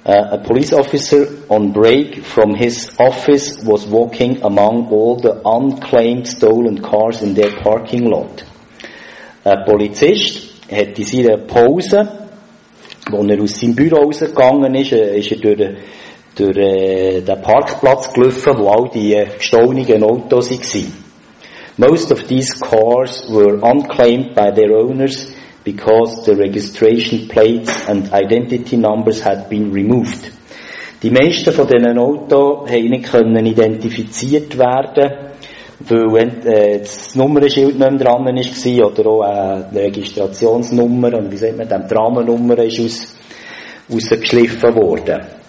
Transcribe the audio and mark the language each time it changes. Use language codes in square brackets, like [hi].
[en] A police officer on break from his office was walking among all the unclaimed stolen cars in their parking lot. [de] Ein Polizist hat in seiner Pause, wo er aus seinem Büro rausgegangen ist er durch den Parkplatz gelaufen, wo all die gestohlenen Autos waren. [en] Most of these cars were unclaimed by their owners because the registration plates and identity numbers had been removed. [de] Die meisten von diesen Autos konnten identifiziert werden, weil das Nummernschild nicht mehr dran war oder auch eine Registrationsnummer und wie sagt man, die Rahmennummer ist rausgeschliffen worden.